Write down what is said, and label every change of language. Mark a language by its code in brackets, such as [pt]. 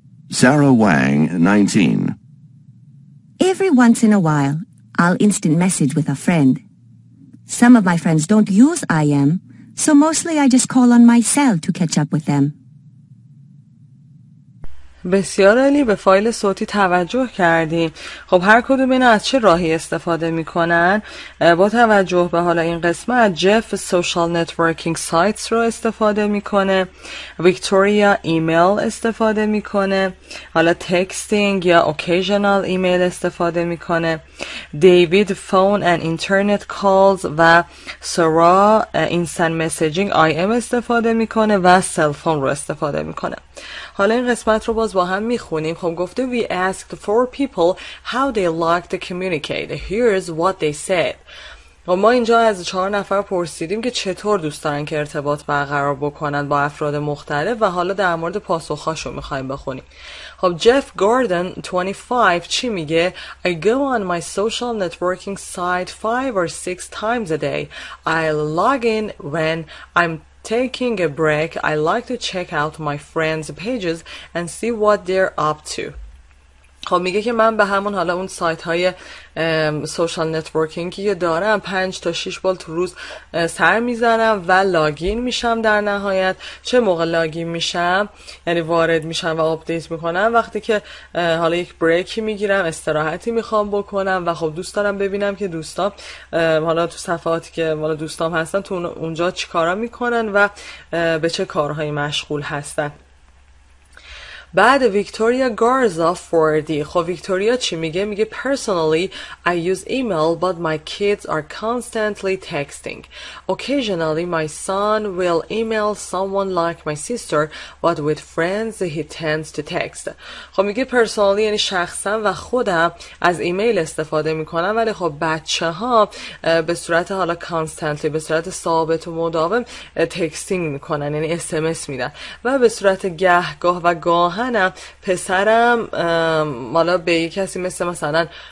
[en] Sarah Wang, 19. Every once in a while, I'll instant message with a friend. Some of my friends don't use IM, so mostly I just call on my cell to catch up with them. [fa] بسیار عالی، به فایل صوتی توجه کردیم. خب هر کدوم اینا از چه راهی استفاده میکنن؟ با توجه به حالا این قسمت، جف سوشال نتورکینگ سایتس رو استفاده میکنه، ویکتوریا ایمیل استفاده میکنه، حالا تکستینگ یا اوکیژنال ایمیل استفاده میکنه، دیوید فون اند اینترنت کالز و سارا اینستن مسیجینگ آی ام استفاده میکنه و سل فون رو استفاده میکنه. حالا این قسمت رو باز با هم میخونیم. خب گفته [en] We asked four people how they like to communicate. Here's what they said. [fa] و ما اینجا از چهار نفر پرسیدیم که چطور دوست دارن که ارتباط برقرار بکنن با افراد مختلف و حالا در مورد پاسخاشو میخواییم بخونیم. خب جف گاردن 25 چی میگه؟ [en] I go on my social networking site 5 or 6 times a day. I log in when I'm taking a break, I like to check out my friends' pages and see what they're up to. [fa] خب میگه که من به همون حالا اون سایت های سوشال نتورکینگی که دارم 5 تا 6 بار تو روز سر میزنم و لاگین میشم. در نهایت چه موقع لاگین میشم؟ یعنی وارد میشم و آپدیت میکنم، وقتی که حالا یک بریکی میگیرم، استراحتی میخوام بکنم و خب دوست دارم ببینم که دوستام حالا تو صفحاتی که حالا دوستام هستن تو اونجا چی کارا میکنن و به چه کارهایی مشغول هستن. بعد ویکتوریا گارزا 40. خب ویکتوریا چی میگه؟ میگه [en] Personally, I use email, but my kids are constantly texting. Occasionally, my son will email someone like my sister, but with friends, he tends to text. [fa] خب میگه Personally, یعنی شخصا و خودم از ایمیل استفاده میکنم، ولی خب بچه ها به صورت حالا constantly، به صورت ثابت و مداوم texting میکنن، یعنی SMS میدن، و به صورت گهگاه و گاه هنم پسرم مالا به یک کسی مثلا